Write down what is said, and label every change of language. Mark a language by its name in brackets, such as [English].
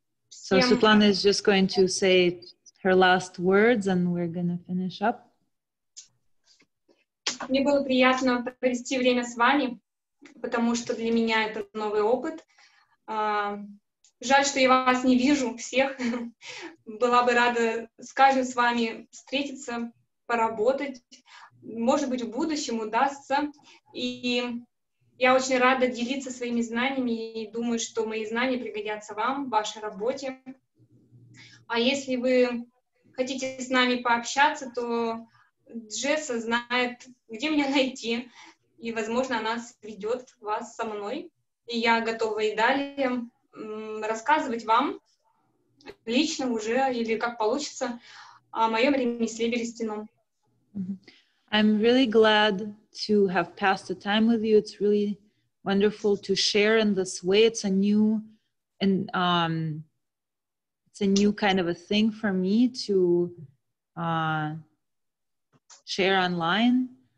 [English] So Светлана is just going to say her last words and we're gonna finish up. [Russian] Мне было приятно провести время с вами. Потому что для меня это новый опыт. Жаль, что я вас не вижу всех. Была бы рада с каждым с вами встретиться, поработать. Может быть, в будущем удастся. И я очень рада делиться своими знаниями и думаю, что мои знания пригодятся вам, в вашей работе. А если вы хотите с нами пообщаться, то Джесса знает, где меня найти. И, возможно, она сведет вас со мной. И я готова и далее рассказывать вам лично уже, или как получится, о моем ремесле берестяном. [English] I'm really glad to have passed the time with you. It's really wonderful to share in this way. It's a new, it's a new kind of a thing for me to share online.